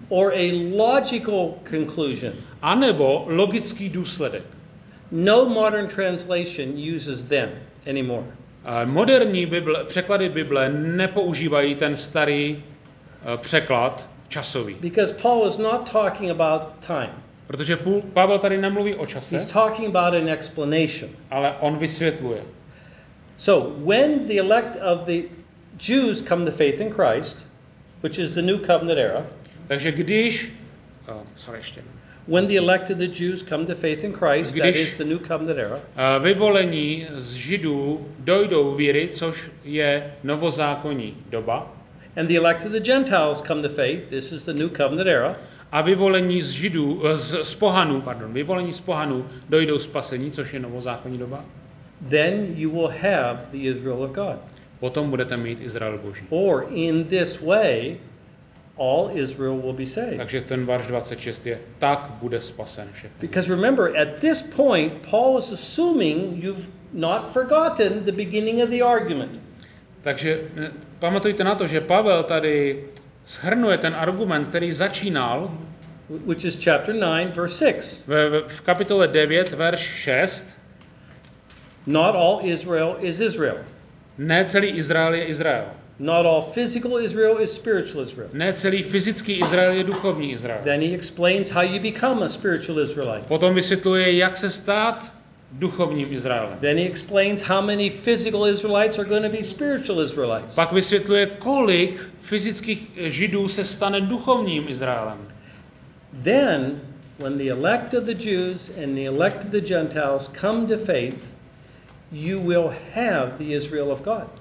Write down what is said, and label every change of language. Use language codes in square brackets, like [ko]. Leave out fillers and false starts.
[en] or a logical conclusion, [cs] anebo logický důsledek. [en] No modern translation uses them anymore. [cs] Moderní Bible, překlady Bible nepoužívají ten starý překlad časový. [en] Because Paul is not talking about time. [cs] Protože Pavel tady nemluví o čase. [en] He's talking about an explanation. [cs] Ale on vysvětluje. [en] So when the elect of the Jews come to faith in Christ, which is the new covenant era. [cs] Takže když ještě. [en] When the elect of the Jews come to faith in Christ, [cs] když, [en] that is the new covenant era. [cs] Vyvolení z Židů dojdou víry, což je novozákonní doba. [en] And the elect of the Gentiles come to faith, this is the new covenant era. [cs] A vyvolení z Židů vyvolení z pohanů dojdou spasení, což je novozákonní doba. [en] Then you will have the Israel of God. [cs] Potom budete mít Izrael Boží. [en] Or in this way, all Israel will be saved. [cs] Takže ten verš 26 je, tak bude spasen všechny. [en] Because remember, at this point, Paul is assuming you've not forgotten the beginning of the argument. [cs] Takže pamatujte na to, že Pavel tady shrnuje ten argument, který začínal. [en] Which is chapter 9, verse 6. [cs] V kapitole 9, verš 6. [en] Not all Israel is Israel. [cs] Ne celý Izrael je Izrael. [en] Not all physical Israel is spiritual Israel. [cs] Ne celý fyzický Izrael je duchovní Izrael. [en] Then he explains how you become a spiritual Israelite. [cs] Potom vysvětluje, jak se stát duchovním Izraelem. [en] Then he explains how many physical Israelites are going to be spiritual Israelites. [cs] Pak vysvětluje, kolik fyzických Židů se stane duchovním Izraelem. [en] Then when the elect of the Jews and the elect of the Gentiles come to faith, you will have the Israel of God.